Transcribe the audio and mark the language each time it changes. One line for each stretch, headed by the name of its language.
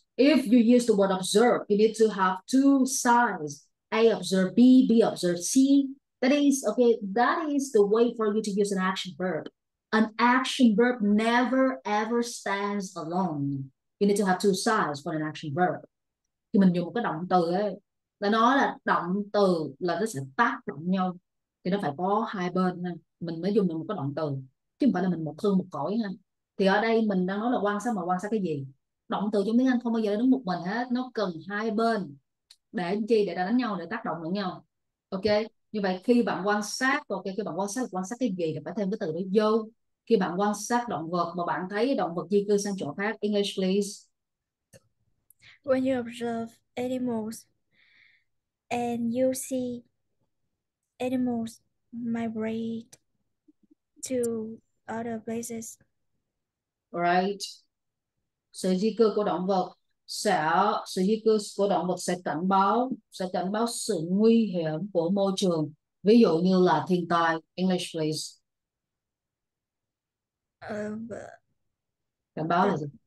English: If you use the word observe, you need to have two sides. A observe B, B observe C. That is, okay, that is the way for you to use an action verb. An action verb never ever stands alone. You need to have two sides for an action verb.
Vietnamese: Khi mình dùng một cái động từ ấy, là nó là động từ là nó sẽ tác động nhau. Thì nó phải có hai bên. Mình mới dùng được một cái động từ. Chứ không phải là mình một thân một cõi. Thì ở đây mình đang nói là quan sát mà quan sát cái gì? Động từ trong tiếng Anh không bao giờ đứng một mình hết, nó cần hai bên để chi, để đánh nhau, để tác động lẫn nhau. Ok, như vậy khi bạn quan sát, ok, khi bạn quan sát cái gì thì phải thêm cái từ đó vô. Khi bạn quan sát động vật mà bạn thấy động vật di cư sang chỗ khác,
English: English please. When you observe animals and you see animals migrate to other places. Right.
Vietnamese: Sự di cư của động vật sẽ cảnh báo sự nguy hiểm của môi trường. Ví dụ như là thiên tai.
English: English please.
Vietnamese: Cảnh báo là gì?